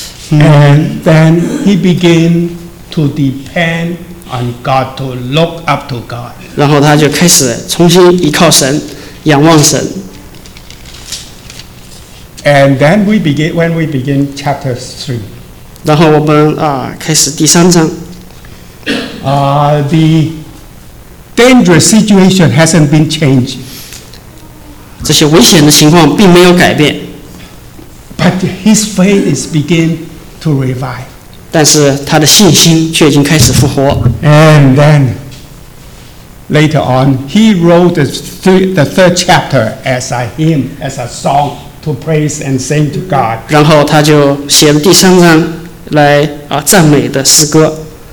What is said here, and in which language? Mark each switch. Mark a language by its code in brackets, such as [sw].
[en] And then he began to depend on God, to look up to God. [zh] 然后他就开始重新依靠神，仰望神。 [en] And then we begin chapter 3. [zh] 然后我们开始第三章。 [en] The dangerous situation hasn't been changed. [zh] 这些危险的情况并没有改变。 [en] But his faith is begin to revive. [zh] 但是他的信心却已经开始复活。 [en] And then later on, he wrote the third chapter as a hymn, as a song. To praise and sing to God. [zh] 然后他就写了第三章来赞美的诗歌。